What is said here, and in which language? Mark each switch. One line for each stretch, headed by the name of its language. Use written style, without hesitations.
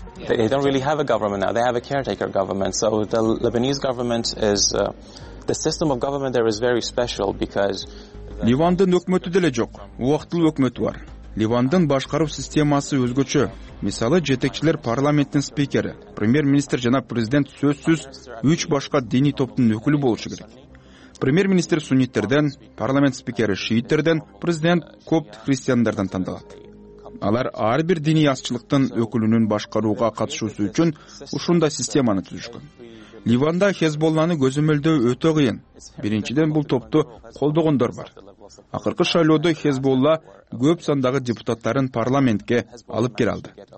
English: They don't really have a government now. They have a caretaker government. So the Lebanese government is the system of government there is very special because
Kyrgyz: Ливандын өкмөтү деле жок. Убактылуу өкмөт бар. Ливандын башкаруу системасы өзгөчө. Мисалы, жетекчилер парламенттин спикери, премьер-министр жана президент сөзсүз 3 башка диний топтун өкүлү болушу керек. Премьер-министр сунниттерден, парламент спикери шииттерден, президент копт христиандардан тандалат. Алар ар бир диний азчылыктын өкүлүнүн башкарууга катышуусу үчүн ушундай системаны түзүшкөн. Ливанда Хезболланы көзөмөлдөө өтө кыйын. Биринчиден бул топту колдогондор бар. Акыркы шайлоодо Хезболла көп сандагы депутаттарын парламентке алып кире алды.